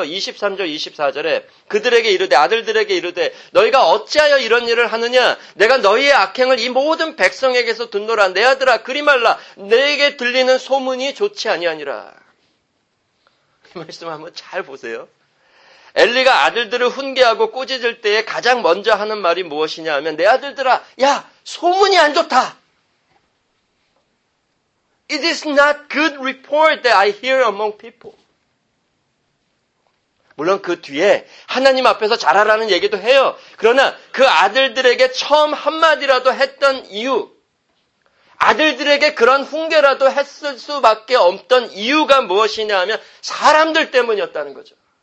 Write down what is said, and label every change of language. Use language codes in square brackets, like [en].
[ko] 23절 24절에 그들에게 이르되 아들들에게 이르되 너희가 어찌하여 이런 일을 하느냐 내가 너희의 악행을 이 모든 백성에게서 듣노라 내 아들아 그리 말라 내게 들리는 소문이 좋지 아니하니라. 이 말씀 한번 잘 보세요. 엘리가 아들들을 훈계하고 꾸짖을 때에 가장 먼저 하는 말이 무엇이냐 하면 내 아들들아 야 소문이 안 좋다. [en] It is not good report that I hear among people. [ko] 물론 그 뒤에 하나님 앞에서 잘하라는 얘기도 해요. 그러나 그 아들들에게 처음 한마디라도 했던 이유 아들들에게 그런 훈계라도 했을 수밖에 없던 이유가 무엇이냐 하면 사람들 때문이었다는 거죠.